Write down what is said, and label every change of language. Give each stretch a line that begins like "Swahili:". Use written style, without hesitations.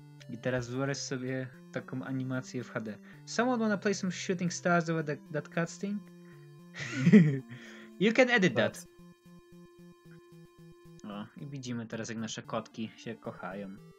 Polish: I teraz wyobraź sobie taką animację w HD.
English: Someone wanna play some shooting stars over that cutscene? You can edit that.
Polish: O, i widzimy teraz, jak nasze kotki się kochają.